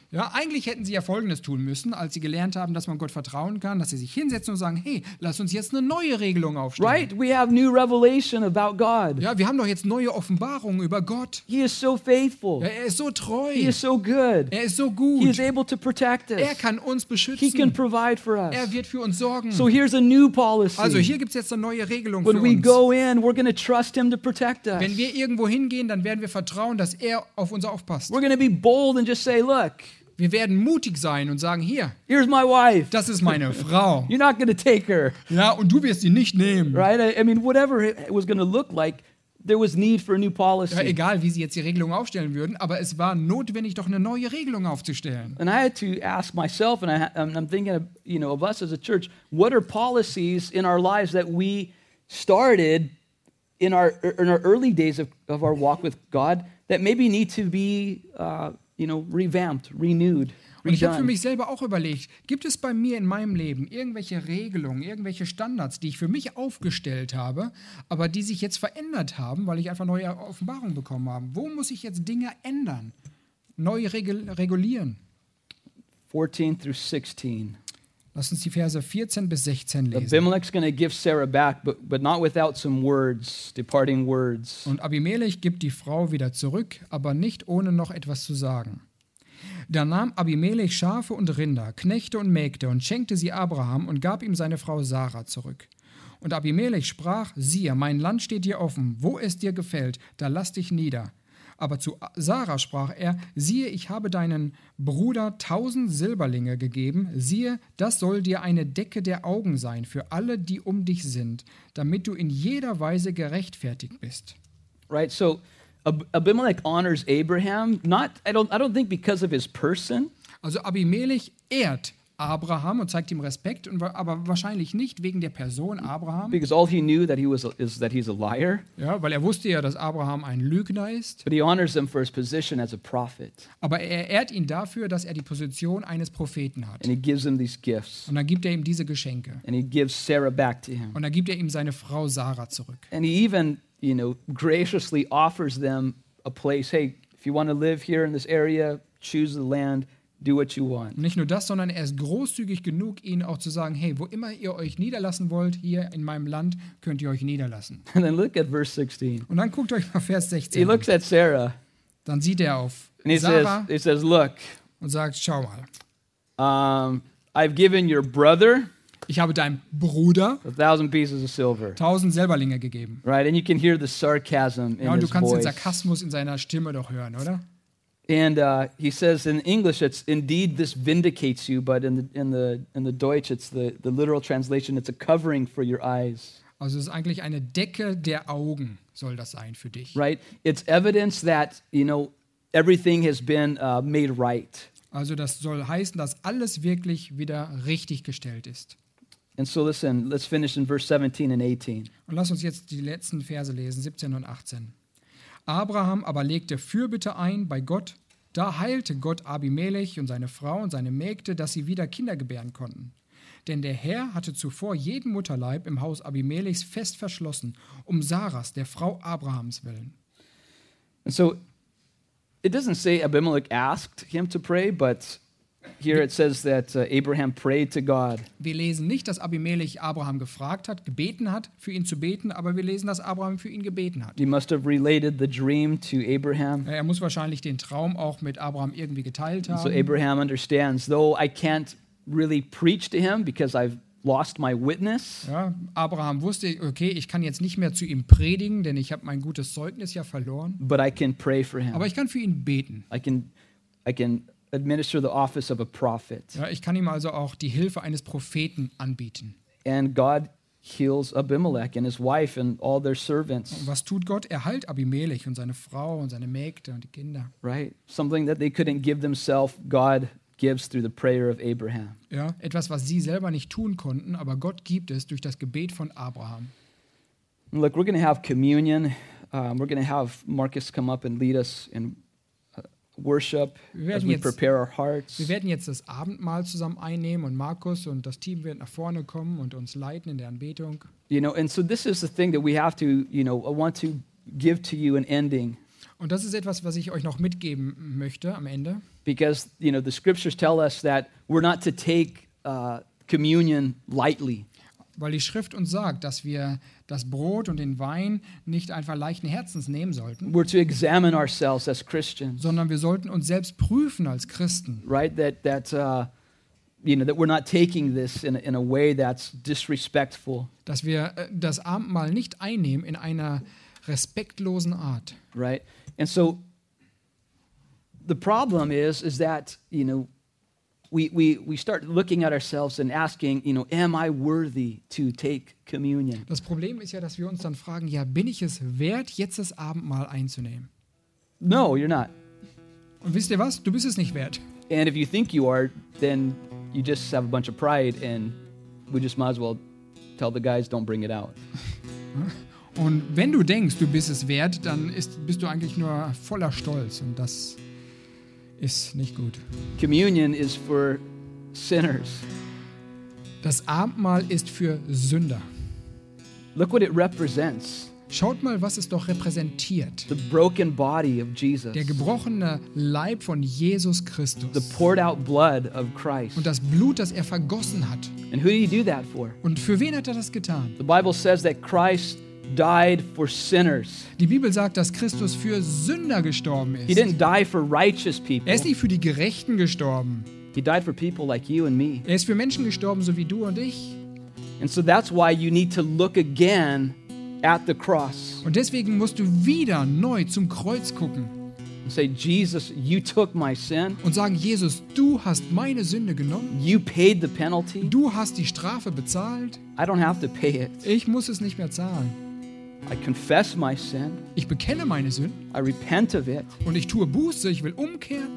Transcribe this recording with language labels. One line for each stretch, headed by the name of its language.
German: Ja, eigentlich hätten sie ja Folgendes tun müssen, als sie gelernt haben, dass man Gott vertrauen kann, dass sie sich hinsetzen und sagen, hey, lass uns jetzt eine neue Regelung aufstellen.
English: Right, we have new revelation about God.
German: Ja, wir haben doch jetzt neue Offenbarungen über Gott.
English: He is so faithful.
German: Ja, er ist so treu.
English: He is so good.
German: Er ist so gut.
English: He is able to protect us.
German: Er kann uns beschützen.
English: He can provide for us.
German: Er wird für uns sorgen.
English: So here's a new policy.
German: Also hier gibt's jetzt eine neue Regelung
English: When
German: für
English: we
German: uns.
English: Go in, we're gonna trust him to protect us.
German: Wenn wir irgendwo hingehen, dann werden wir vertrauen, dass er auf uns aufpasst.
English: We're gonna be bold and just say, look.
German: Wir werden mutig sein und sagen, hier,
English: here's my wife.
German: Das ist meine Frau.
English: You're not gonna take her.
German: Ja, und du wirst sie nicht nehmen.
English: Right? I mean, whatever it was gonna look like, there was need for a new policy.
German: Ja, egal, wie sie jetzt die Regelung aufstellen würden, aber es war notwendig, doch eine neue Regelung aufzustellen.
English: And I had to ask myself, and I'm thinking of, you know, of us as a church, what are policies in our lives that we started in our early days of our walk with God that maybe need to be you know, revamped, renewed.
German: Und ich habe für mich selber auch überlegt, gibt es bei mir in meinem Leben irgendwelche Regelungen, irgendwelche Standards, die ich für mich aufgestellt habe, aber die sich jetzt verändert haben, weil ich einfach neue Offenbarungen bekommen habe. Wo muss ich jetzt Dinge ändern, neu regulieren?
English: 14 through 16.
German: Lass uns die Verse 14 bis 16 lesen.
English: Abimelech's gonna give Sarah back, but not without some words, departing words.
German: Und Abimelech gibt die Frau wieder zurück, aber nicht ohne noch etwas zu sagen. Da nahm Abimelech Schafe und Rinder, Knechte und Mägde und schenkte sie Abraham und gab ihm seine Frau Sarah zurück. Und Abimelech sprach, siehe, mein Land steht dir offen, wo es dir gefällt, da lass dich nieder. Aber zu Sarah sprach er, siehe, ich habe deinen Bruder 1000 Silberlinge gegeben, siehe, das soll dir eine Decke der Augen sein für alle, die um dich sind, damit du in jeder Weise gerechtfertigt bist.
English: Right, so Abimelech honors Abraham, not, I don't think because of his person.
German: Also Abimelech ehrt Abraham und zeigt ihm Respekt, aber wahrscheinlich nicht wegen der Person Abraham.
English: Because all he knew that he was is that he's a liar.
German: Ja, weil er wusste ja, dass Abraham ein Lügner ist.
English: But he honors him for his position as a prophet.
German: Aber er ehrt ihn dafür, dass er die Position eines Propheten hat.
English: And he gives him these gifts.
German: Und dann gibt er ihm diese Geschenke.
English: And he gives Sarah back to him.
German: Und dann gibt er ihm seine Frau Sarah zurück.
English: And he even, you know, graciously offers them a place. Hey, if you want to live here in this area, choose the land. Do what you want.
German: Nicht nur das, sondern er ist großzügig genug, ihnen auch zu sagen, hey, wo immer ihr euch niederlassen wollt, hier in meinem Land, könnt ihr euch niederlassen.
English: And then look at verse 16.
German: Und dann guckt euch mal Vers 16 an.
English: He looks at Sarah.
German: Dann sieht er auf
English: and
German: Sarah.
English: He says, look.
German: Und sagt, schau mal.
English: I've given your brother.
German: Ich habe deinem Bruder
English: 1000 pieces of silver.
German: 1000 Silberlinge gegeben.
English: Right, and you can hear the sarcasm in his voice.
German: Ja, und du kannst den Sarkasmus in seiner Stimme doch hören, oder?
English: And he says in English, it's indeed this vindicates you, but in the Deutsch, it's the literal translation, it's a covering for your eyes.
German: Also es ist eigentlich eine Decke der Augen, soll das sein für dich.
English: Right? It's evidence that, you know, everything has been made right.
German: Also das soll heißen, dass alles wirklich wieder richtig gestellt ist.
English: And so listen, let's finish in verse 17 and 18.
German: Und lass uns jetzt die letzten Verse lesen, 17 und 18. Abraham aber legte Fürbitte ein bei Gott. Da heilte Gott Abimelech und seine Frau und seine Mägde, dass sie wieder Kinder gebären konnten. Denn der Herr hatte zuvor jeden Mutterleib im Haus Abimelechs fest verschlossen, um Sarahs, der Frau Abrahams, willen.
English: And so, it doesn't say Abimelech asked him to pray, but here it says that Abraham prayed to God.
German: Wir lesen nicht, dass Abimelech Abraham gefragt hat, gebeten hat, für ihn zu beten, aber wir lesen, dass Abraham für ihn gebeten hat.
English: He must have related the dream to Abraham.
German: Er muss wahrscheinlich den Traum auch mit Abraham irgendwie geteilt haben.
English: So Abraham understands, though I can't really preach to him because I've lost my witness.
German: Ja, Abraham wusste, okay, ich kann jetzt nicht mehr zu ihm predigen, denn ich habe mein gutes Zeugnis ja verloren.
English: But I can pray for him.
German: Aber ich kann für ihn beten.
English: I can administer the office of a prophet.
German: Ja, ich kann ihm also auch die Hilfe eines Propheten anbieten.
English: And God heals Abimelech and his wife and all their servants.
German: Und was tut Gott? Er heilt Abimelech und seine Frau und seine Mägde und die Kinder.
English: Right, something that they couldn't give themselves, God gives through the prayer of Abraham.
German: Ja, etwas, was sie selber nicht tun konnten, aber Gott gibt es durch das Gebet von Abraham.
English: And look, we're going to have communion. We're going to have Marcus come up and lead us in worship as we prepare our hearts.
German: Wir werden jetzt das Abendmahl zusammen einnehmen und Markus und das Team werden nach vorne kommen und uns leiten in der Anbetung.
English: You know, and so this is the thing that we have to, you know, I want to give to you an ending.
German: Und das ist etwas, was ich euch noch mitgeben möchte am Ende.
English: Because, you know, the scriptures tell us that we're not to take communion lightly.
German: Weil die Schrift uns sagt, dass wir das Brot und den Wein nicht einfach leichten Herzens nehmen sollten.
English: We're to examine ourselves as Christians.
German: Sondern wir sollten uns selbst prüfen als Christen.
English: Right, that we're not taking this in a way that's disrespectful.
German: Dass wir das Abendmahl nicht einnehmen in einer respektlosen Art.
English: Right, and so the problem is that, you know, We start looking at ourselves and asking, you know, am I worthy to take communion?
German: Das Problem ist ja, dass wir uns dann fragen, ja, bin ich es wert, jetzt das Abendmahl einzunehmen?
English: No, you're not.
German: Und wisst ihr was? Du bist es nicht wert.
English: And if you think you are, then you just have a bunch of pride and we just might as well tell the guys, don't bring it out.
German: Und wenn du denkst, du bist es wert, dann bist du eigentlich nur voller Stolz und das ist nicht gut.
English: Communion is for sinners.
German: Das Abendmahl ist für Sünder.
English: Look what it represents.
German: Schaut mal, was es doch repräsentiert.
English: The broken body of Jesus.
German: Der gebrochene Leib von Jesus Christus.
English: The poured out blood of Christ.
German: Und das Blut, das er vergossen hat.
English: And who did he do that for?
German: Und für wen hat er das getan?
English: The Bible says that Christ died for sinners.
German: Die Bibel sagt, dass Christus für Sünder gestorben ist.
English: He didn't die for righteous people.
German: Er ist nicht für die Gerechten gestorben.
English: He died for people like you and me.
German: Er ist für Menschen gestorben, so wie du und ich.
English: And so that's why you need to look again at the cross.
German: Und deswegen musst du wieder neu zum Kreuz gucken.
English: And say, Jesus, you took my sin.
German: Und sagen, Jesus, du hast meine Sünde genommen.
English: You paid the penalty.
German: Du hast die Strafe bezahlt.
English: I don't have to pay it.
German: Ich muss es nicht mehr zahlen.
English: I confess my sin.
German: Ich bekenne meine Sünde.
English: I repent of it.
German: Und ich tue Buße, ich will umkehren.